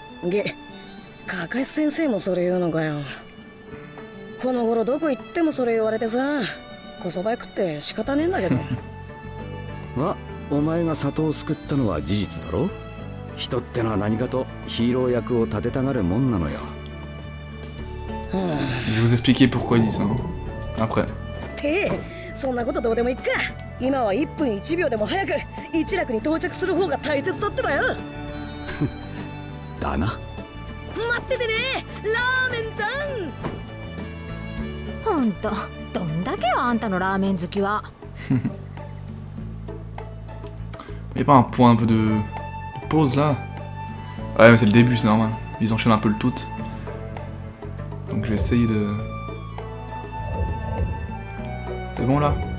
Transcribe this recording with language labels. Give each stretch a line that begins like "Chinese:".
Japanese: げ、カカシ先生もそれ言うのかよ。この頃どこ行ってもそれ言われてさ、こそばい食って仕方ねえんだけど。ま、お前が里を救ったのは事実だろ。人ってのは何かとヒーロー役を立てたがるもんなのよ。
French: Je vous expliquer pourquoi il dit ça. Après.
Japanese: てえ、そんなことどうでもいいか。今は1分1秒でも早く一楽に到着する方が大切だってばよ。だな。待っててね、ラーメンちゃん。ほんと、どんだけよあんたのラーメン好きは。
French: Mais pas un point un peu de pause là. Ah ouais, mais c'est le début, c'est normal. Ils enchaînent un peu le tout. Donc je vais essayer de. C'est bon là.